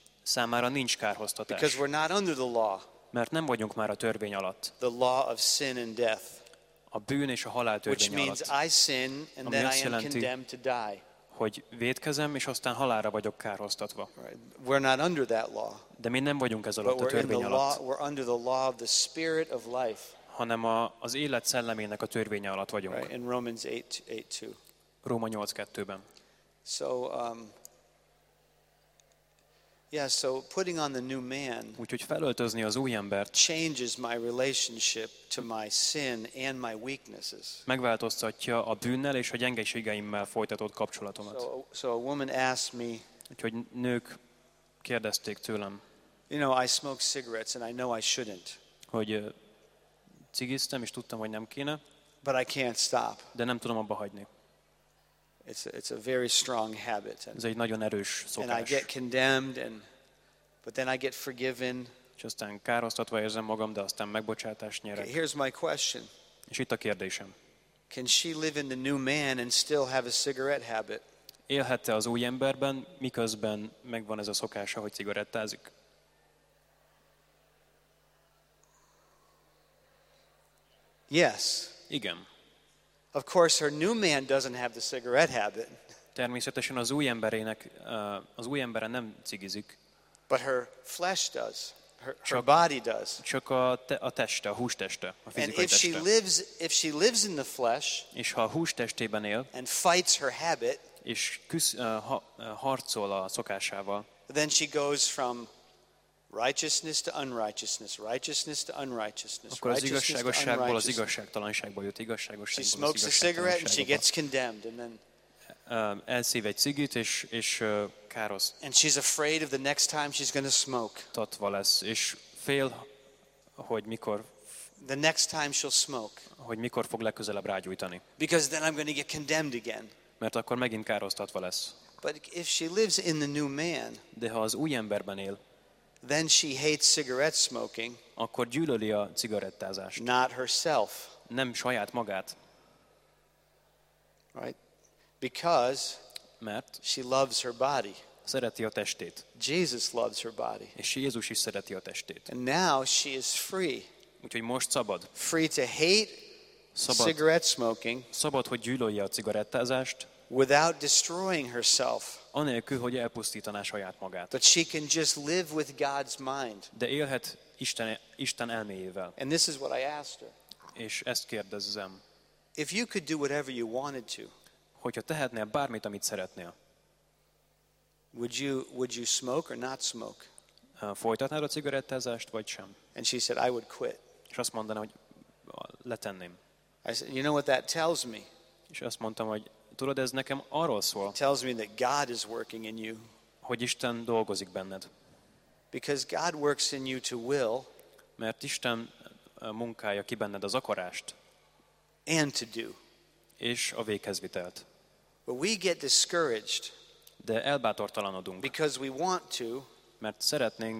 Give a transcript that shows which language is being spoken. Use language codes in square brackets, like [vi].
[hu] Számára nincs kárhoztatás. [en] Because we're not under the law. [hu] Mert nem vagyunk már a törvény alatt. [en] The law of sin and death. [hu] A bűn és a halál törvény [en] which means [hu] alatt. [en] I sin and then I am condemned to die. [hu] Hogy vétkezem és aztán halálra vagyok kárhoztatva. [en] Right. We're not under that law. [hu] De mi nem vagyunk ez alatt [en] but [hu] a törvény [en] we're [hu] alatt. [en] Law, we're under the law of the spirit of life. [hu] Hanem az élet szellemének a törvénye alatt vagyunk. [en] Right. In Romans 8:2. [hu] Róma 8:2-ben. [en] So yeah, so putting on the new man [hu] úgyhogy felöltözni az új embert [en] changes my relationship to my sin and my weaknesses. [hu] Megváltoztatja a bűnnel és a gyengeségeimmel folytatott kapcsolatomat. [en] So a woman asked me, [hu] úgyhogy nők kérdezték tőlem, [en] you know, I smoke cigarettes and I know I shouldn't. [hu] Hogy cigiztem és tudtam, hogy nem kéne. [en] But I can't stop. [hu] De nem tudom abba hagyni. [en] It's a very strong habit. [hu] Ez egy nagyon erős szokás. [en] And I get condemned and but then I get forgiven. [hu] Aztán károsztatva érzem magam, de aztán megbocsátást nyerek. [en] Okay, here's my question. [hu] És itt a kérdésem. [en] Can she live in the new man and still have a cigarette habit? [hu] Élhet-e az új emberben, miközben megvan ez a szokása, hogy cigarettázik? [en] Yes. [hu] Igen. [en] Of course, her new man doesn't have the cigarette habit. [hu] Természetesen az új emberének az új embere nem cigizik. [en] But her flesh does. Her body does. [hu] Csak a teste, a hústeste, a fizikai teste. [en] And if she lives in the flesh, [hu] és ha a hústestében él, [en] and fights her habit, [hu] és harcol a szokásával, [en] then she goes from righteousness to unrighteousness, righteousness to unrighteousness. [hu] Akkor az igazságosságból az igazságtalanságba jut, igazságosságból. [en] She smokes a cigarette and she gets condemned, and then. [hu] Elszív egy cigit és káros. [en] And she's afraid of the next time she's going to smoke. [hu] Tatva lesz és fél, hogy mikor. [en] The next time she'll smoke. [hu] Hogy mikor fog legközelebb rágyújtani. [en] Because then I'm going to get condemned again. [hu] Mert akkor megint károsztatva lesz. [en] But if she lives in the new man. [hu] De ha az új emberben él. [en] Then she hates cigarette smoking. [hu] Akkor gyűlöli a cigarettázást. [en] Not herself. [hu] Nem saját magát. [en] Right? Because [hu] mert [en] she loves her body. [hu] Szereti a testét. [en] Jesus loves her body. [hu] És Jézus is szereti a testét. [en] And now she is free. [hu] Úgyhogy most szabad. [en] Free to hate [hu] szabad. [en] Cigarette smoking. [hu] Szabad, hogy gyűlölje a cigarettázást. [en] Without destroying herself. [hu] Anélkül, hogy elpusztítaná saját magát. [en] But she can just live with God's mind. [hu] De élhet Isten elméjével. [en] And this is what I asked her. [hu] És ezt kérdezem. [en] If you could do whatever you wanted to. [hu] Hogyha tehetnél bármit, amit szeretnél. [en] Would you smoke or not smoke? [hu] Folytatnád a cigarettázást vagy sem? [en] And she said I would quit. [hu] És azt mondaná, hogy letenném. [en] I said, you know what that tells me? [hu] És azt mondtam, hogy tudod, ez nekem arról szól. [en] It tells me that God is working in you. [hu] Hogy Isten dolgozik benned. [en] Because God works in you to will. [hu] Mert Isten munkája ki benned az akarást. [en] And to do. [hu] És a véghezvitelt. [en] But we get discouraged. [hu] De elbátortalanodunk. [en] Because we want to. [hu] Mert szeretnénk.